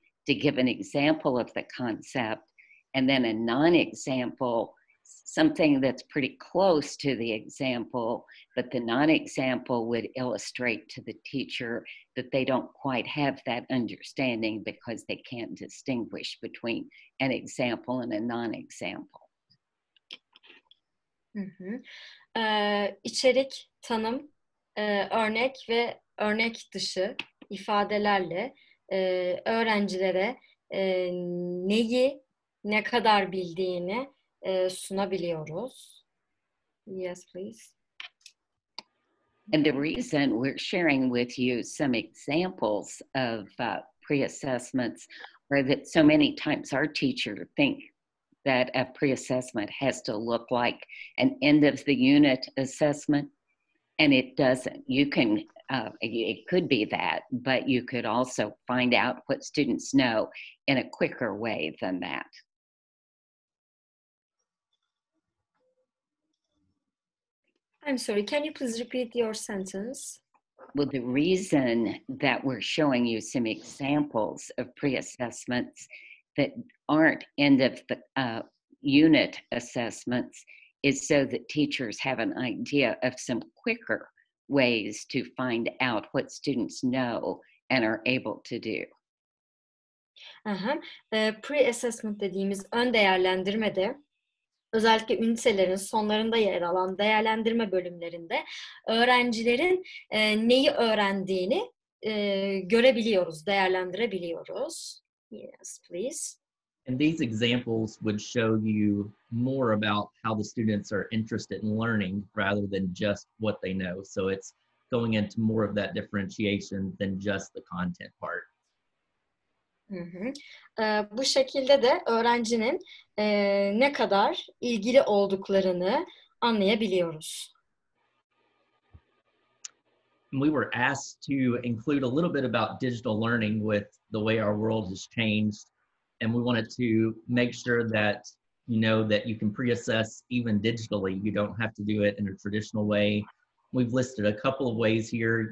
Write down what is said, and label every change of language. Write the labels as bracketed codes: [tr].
[en] to give an example of the concept, and then a non-example, something that's pretty close to the example, but the non-example would illustrate to the teacher that they don't quite have that understanding because they can't distinguish between an example and a non-example. Mm-hmm. [tr] İçerik, tanım, örnek ve örnek dışı ifadelerle öğrencilere neyi, ne kadar bildiğini sunabiliyoruz. [en] Yes, please. And the reason we're sharing with you some examples of pre-assessments are that so many times our teachers think that a pre-assessment has to look like an end of the unit assessment, and it doesn't. You can, it could be that, but you could also find out what students know in a quicker way than that. I'm sorry, can you please repeat your sentence? Well, the reason that we're showing you some examples of pre-assessments that aren't end of the unit assessments is so that teachers have an idea of some quicker ways to find out what students know and are able to do. Uh-huh. [tr] Pre-assessment dediğimiz ön değerlendirmede, özellikle ünitelerin sonlarında yer alan değerlendirme bölümlerinde öğrencilerin neyi öğrendiğini görebiliyoruz, değerlendirebiliyoruz. [en] Yes, please. And these examples would show you more about how the students are interested in learning rather than just what they know. So it's going into more of that differentiation than just the content part. [tr] Bu şekilde de öğrencinin ne kadar ilgili olduklarını anlayabiliyoruz. [en] We were asked to include a little bit about digital learning with the way our world has changed, and we wanted to make sure that you know that you can pre-assess even digitally. You don't have to do it in a traditional way. We've listed a couple of ways here.